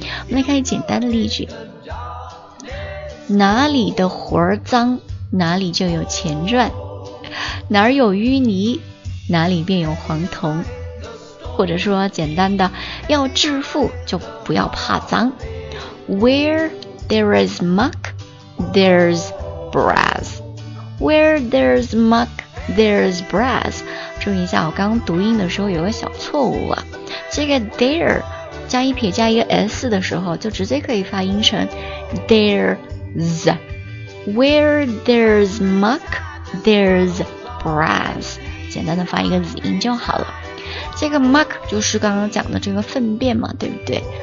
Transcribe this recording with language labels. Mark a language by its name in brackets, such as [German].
[Chinese] 我们来看一简单的例句，哪里的活儿脏哪里就有钱赚，哪儿有淤泥哪里便有黄铜，或者说简单的，要致富就不要怕脏。 [English] Where there is muck there's brass, Where there's muck there's brass。 [Chinese] 注意一下，我刚刚读音的时候有个小错误啊。这个 there 加一撇加一个 s 的时候，就直接可以发音成 there's。 [English] Where there's muck, there's brass。 [Chinese] 简单的发一个 z 音就好了。这个 muck 就是刚刚讲的这个粪便嘛，对不对？